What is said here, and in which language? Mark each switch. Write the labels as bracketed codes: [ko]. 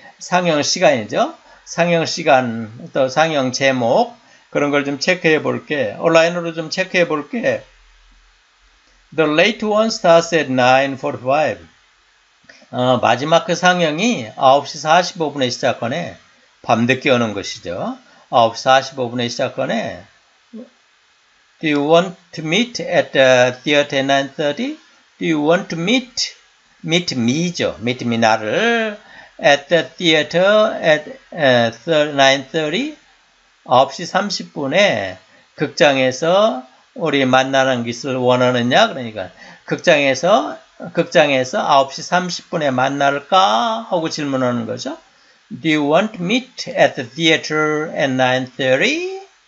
[ko] 상영 시간이죠. 상영 시간, 또 상영 제목, 그런 걸 좀 체크해 볼게. 온라인으로 좀 체크해 볼게. [en] The late one starts at 9:45. [ko] 마지막 그 상영이 9시 45분에 시작하네. 밤늦게 오는 것이죠. 9시 45분에 시작하네. [en] Do you want to meet at the theater at 9:30? Do you want to meet? Meet me죠. Meet me 나를. At the theater at 9:30? [ko] 9시 30분에 극장에서 우리 만나는 것을 원하느냐? 그러니까 극장에서 9시 30분에 만날까? 하고 질문하는 거죠. [en] Do you want to meet at the theater at 9:30?